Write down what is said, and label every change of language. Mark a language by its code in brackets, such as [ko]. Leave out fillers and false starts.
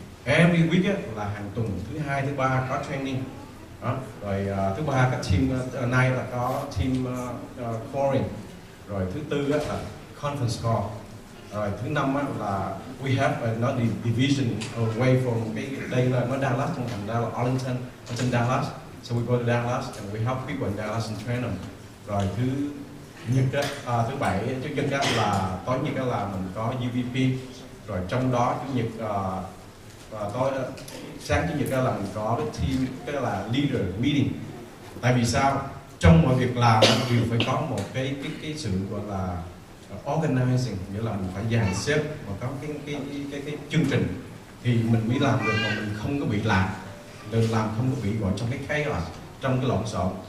[en] Every week [vi] á, là hàng tuần thứ hai, thứ ba có training đó. Rồi thứ ba các team nay là có team foreign. Rồi thứ tư á, là conference call. Rồi thứ năm á, là [en] we have another division away from [vi] đây là ở Dallas, trong thành Dallas, Arlington, [en] in Dallas. So we go to Dallas and we help people in Dallas and train them. [vi] Rồi thứ nhật á, thứ bảy chủ nhật á là tối nhật á là mình có UVP. Rồi trong đó chủ nhật tối sáng chủ nhật á là mình có cái team, cái là leader meeting. Tại vì sao? Trong mọi việc làm mình đều phải có một cái sự gọi là organizing, nghĩa là mình phải dàn xếp và có cái chương trình thì mình mới làm được, mà mình không có bị lạc, được làm không có bị gọi trong cái khay là trong cái lộn xộn.